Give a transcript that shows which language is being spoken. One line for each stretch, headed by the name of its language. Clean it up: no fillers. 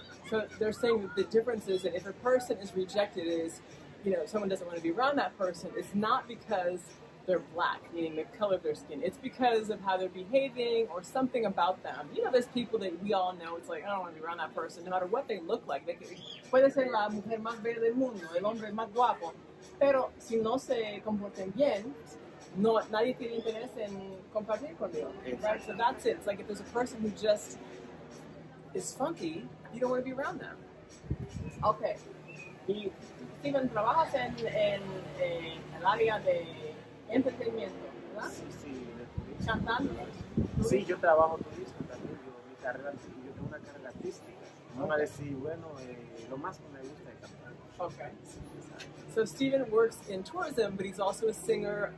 English: So they're saying that the difference is that if a person is rejected, is, you know, someone doesn't want to be around that person, it's not because they're black, meaning the color of their skin. It's because of how they're behaving or something about them. You know, there's people that we all know, it's like, I don't want to be around that person, no matter what they look like. They could,
Spanish: puede ser la mujer más bella del mundo, el hombre más guapo, pero si no se comportan bien, no, nadie tiene interés en compartir conmigo.
English: Right? So that's it. It's like if there's a person who just is funky, you don't want to be around them. Okay.
Spanish: Y Steven, trabajas en el área de entretenimiento, ¿verdad? Sí, sí, de Cantando. Sí, yo trabajo turismo también. Yo, mi carrera, yo tengo una carrera artística. Vamos a decir, bueno, lo más que me gusta es cantar.
English: Okay. So Steven works in tourism, but he's also a singer.